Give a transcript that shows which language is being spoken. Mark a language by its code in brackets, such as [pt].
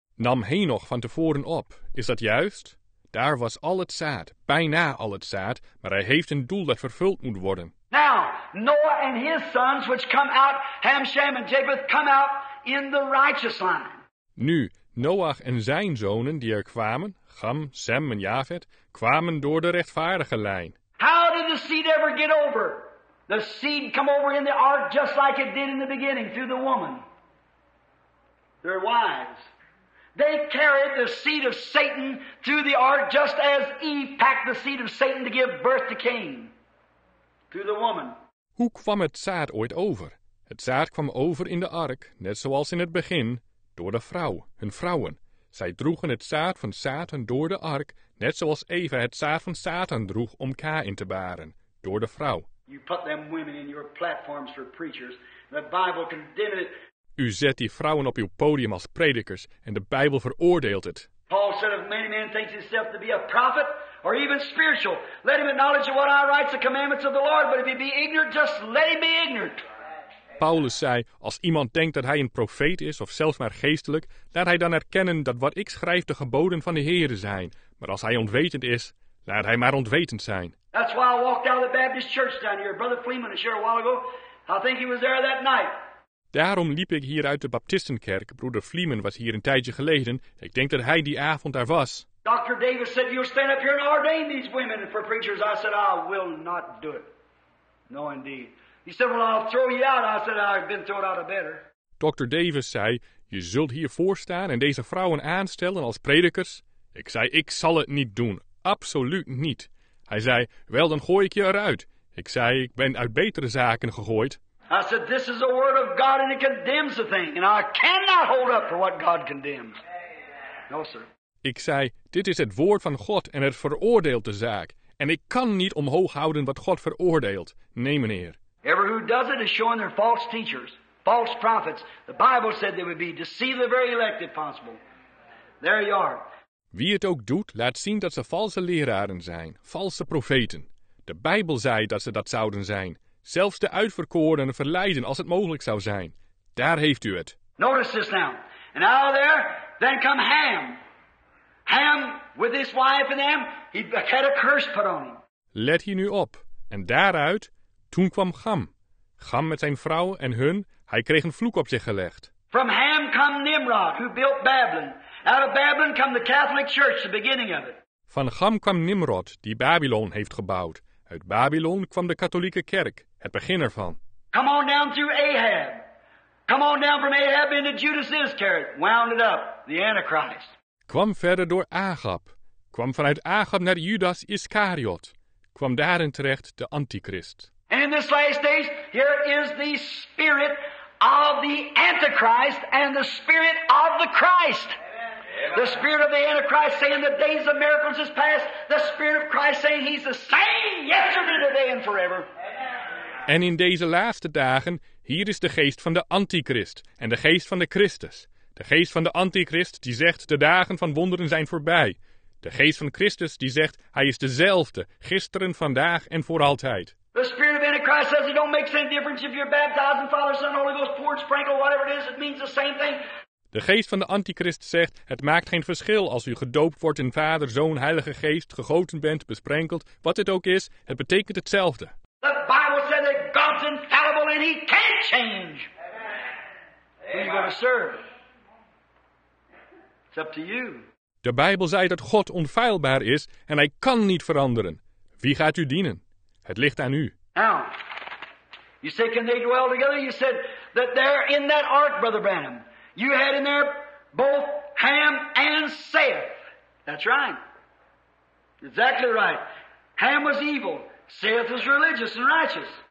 [nl] Nam Henoch van tevoren op, is dat juist? Daar was al het zaad, bijna al het zaad, maar hij heeft een doel dat vervuld moet worden. [en] Now, Noah and his sons, which come out, Ham, Shem and Japheth, come out in the righteous line. [nl] Nu, Noach en zijn zonen die er kwamen, Ham, Shem en Japheth, kwamen door de rechtvaardige lijn. [en] How did the seed ever get over? The seed come over in the ark just like it did in the beginning through the woman. Their wives. They carried the seed of Satan through the ark just as Eve packed the seed of Satan to give birth to Cain. Through the woman. [nl] Hoe kwam het zaad ooit over? Het zaad kwam over in de ark, net zoals in het begin, door de vrouw, hun vrouwen. Zij droegen het zaad van Satan door de ark, net zoals Eva het zaad van Satan droeg om Kain te baren, door de vrouw. [en] You put them women in your platforms for preachers. The Bible condemned it. [nl] U zet die vrouwen op uw podium als predikers en de Bijbel veroordeelt het. [en] Paul said if many men thinks himself to be a prophet or even spiritual, let him acknowledge what I write the commandments of the Lord, but if he be ignorant, just let him be ignorant. [nl] Paulus zei, als iemand denkt dat hij een profeet is of zelfs maar geestelijk, laat hij dan erkennen dat wat ik schrijf de geboden van de Heere zijn. Maar als hij onwetend is, laat hij maar onwetend zijn. [en] That's why I walked out of the Baptist church down here. Brother Fleeman was here a while ago. I think he was there that night. [nl] Daarom liep ik hier uit de Baptistenkerk. Broeder Fleeman was hier een tijdje geleden. Ik denk dat hij die avond daar was. [en] Dr. Davis said, you'll stand up here and ordain these women for preachers. I said, I will not do it. No, indeed. He said, well, I'll throw you out. I said, I've been thrown out of better. [nl] Dr. Davis zei, je zult hier voorstaan en deze vrouwen aanstellen als predikers. Ik zei, ik zal het niet doen. Absoluut niet. Hij zei, wel, dan gooi ik je eruit. Ik zei, ik ben uit betere zaken gegooid. [en] I said, this is the word of God and it condemns the thing. And I cannot hold up for what God condemns. No, sir. [nl] Ik zei, dit is het woord van God en het veroordeelt de zaak. En ik kan niet omhoog houden wat God veroordeelt. Nee, meneer. [en] Every who does it is showing their false teachers, false prophets. The Bible said they would be deceived the very elect if possible. There you are. [nl] Wie het ook doet, laat zien dat ze valse leraren zijn, valse profeten. De Bijbel zei dat ze dat zouden zijn. Zelfs de uitverkorenen verleiden als het mogelijk zou zijn. Daar heeft u het. [en] Notice this now. And out of there, then come Ham. Ham, with his wife and them, he had a curse put on him. [nl] Let hier nu op. En daaruit, toen kwam Ham. Ham met zijn vrouw en hun, hij kreeg een vloek op zich gelegd. [en] From Ham come Nimrod, who built Babylon. Out of Babylon come the Catholic Church, the beginning of it. [nl] Van Ham kwam Nimrod, die Babylon heeft gebouwd. Uit Babylon kwam de katholieke kerk, het begin ervan. [en] Come on down through Ahab. Come on down from Ahab into Judas Iscariot. Wound it up, the Antichrist. [nl] Kwam verder door Agab. Kwam vanuit Agab naar Judas Iscariot. Kwam daarin terecht de Antichrist. [en] And in this last days, here is the spirit of the Antichrist and the spirit of the Christ. The spirit of the Antichrist saying the days of miracles is past. The spirit of Christ saying he's the same yesterday, today and forever. [nl] En in deze laatste dagen, hier is de geest van de Antichrist en de geest van de Christus. De geest van de Antichrist die zegt de dagen van wonderen zijn voorbij. De geest van Christus die zegt hij is dezelfde, gisteren, vandaag en voor altijd. [en] The spirit of Antichrist says it don't make any difference if you're baptized in Father, Son, Holy Ghost, poured, sprinkled, whatever it is, it means the same thing. [nl] De geest van de Antichrist zegt, het maakt geen verschil als u gedoopt wordt in Vader, Zoon, Heilige Geest, gegoten bent, besprenkeld, wat het ook is, het betekent hetzelfde. [en] The Bible said that God's infallible and he can't change. Who are you going to serve? It's up to you. [nl] De Bijbel zei dat God onfeilbaar is en hij kan niet veranderen. Wie gaat u dienen? Het ligt aan u. [en] Now, you say, can they dwell together? You said that they're in that ark, Brother Branham. You had in there both Ham and Seth. That's right. Exactly right. Ham was evil. Seth was religious and righteous.